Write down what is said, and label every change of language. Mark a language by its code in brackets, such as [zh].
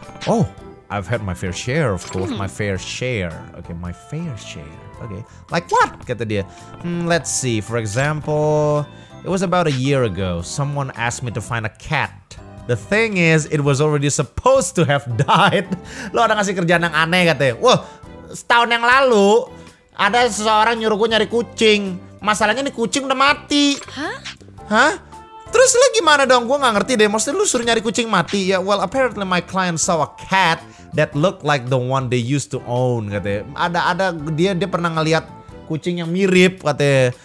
[en] Oh, I've had my fair share, of course, my fair share. Okay, my fair share. Okay, like what? Get the idea. Let's see, for example, it was about a year ago, someone asked me to find a cat. The thing is, it was already supposed to have died. [id] Lo ada ngasih kerjaan yang aneh katanya. Wah, setahun yang lalu ada seseorang nyuruh gue nyari kucing. Masalahnya nih kucing udah mati. Hah? Hah? Terus lu gimana dong? Gue nggak ngerti deh. Maksudnya lu suruh nyari kucing mati? [en] Ya, well, apparently my client saw a cat that looked like the one they used to own [id] katanya. Ada dia pernah ngeliat kucing yang mirip katanya.